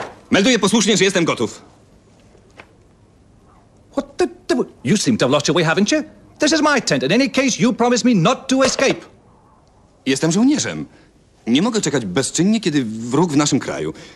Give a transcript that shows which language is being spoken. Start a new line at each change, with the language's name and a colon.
Polish: Melduję posłusznie, że jestem gotów.
English: What the devil? You seem to have lost your way, haven't you? This is my tent. In any case, you promised me not to escape.
Polish: Jestem żołnierzem. Nie mogę czekać bezczynnie, kiedy wróg w naszym kraju.